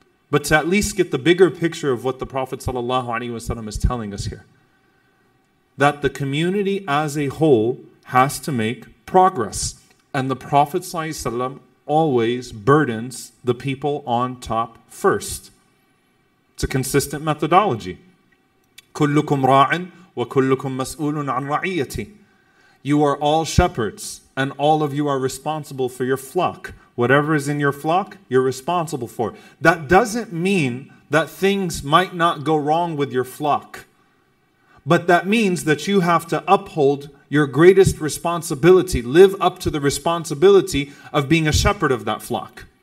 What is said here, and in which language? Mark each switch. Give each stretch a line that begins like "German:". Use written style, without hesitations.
English: But to at least get the bigger picture of what the Prophet ﷺ is telling us here. That the community as a whole has to make progress. And the Prophet ﷺ always burdens the people on top first. It's a consistent methodology.
Arabic: كلكم راعٍ وكلكم مسؤولٌ عن رعيتي.
English: You are all shepherds, and all of you are responsible for your flock. Whatever is in your flock, you're responsible for. That doesn't mean that things might not go wrong with your flock. But that means that you have to uphold your greatest responsibility, live up to the responsibility of being a shepherd of that flock.